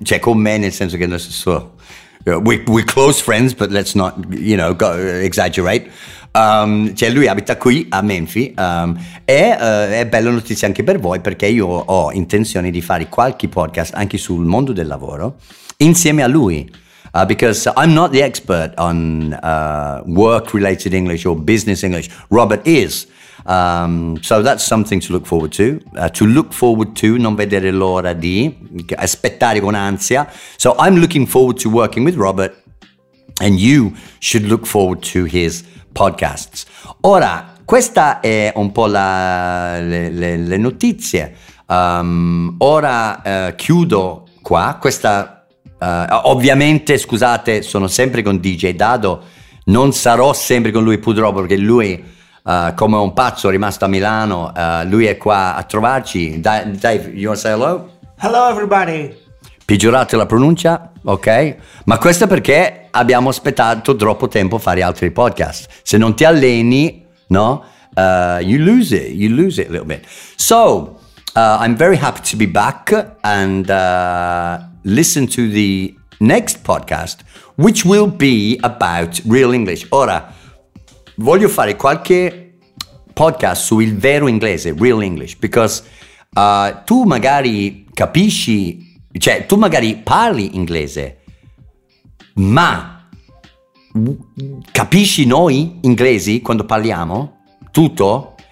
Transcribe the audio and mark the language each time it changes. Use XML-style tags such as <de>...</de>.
<it>Cioè, con me nel senso che non so,</it> <en>we're close friends, but let's not, you know, go exaggerate.</en> <it>Cioè, lui abita qui a Menfi. È bella notizia anche per voi, perché io ho intenzione di fare qualche podcast anche sul mondo del lavoro insieme a lui.</it> <en>Because I'm not the expert on work-related English or business English. Robert is. So that's something to look forward to. To look forward to,</en> <it>non vedere l'ora di, aspettare con ansia.</it> <en>So I'm looking forward to working with Robert, and you should look forward to his podcasts.</en> <it>Ora, questa è un po' le notizie. Ora chiudo qua questa... ovviamente, scusate, sono sempre con DJ Dado, non sarò sempre con lui purtroppo, perché lui come un pazzo è rimasto a Milano, lui è qua a trovarci.</it> <en>Dave, you want to say hello? Hello everybody.</en> <it>Peggiorate la pronuncia, ok? Ma questo perché abbiamo aspettato troppo tempo a fare altri podcast. Se non ti alleni, no?</it> <en>You lose it a little bit. So, I'm very happy to be back and... listen to the next podcast, which will be about real English.</en> <it>Ora, voglio fare qualche podcast sul vero inglese, real English, because tu magari capisci, cioè tu magari parli inglese, ma capisci noi inglesi quando parliamo? Tutto?</it>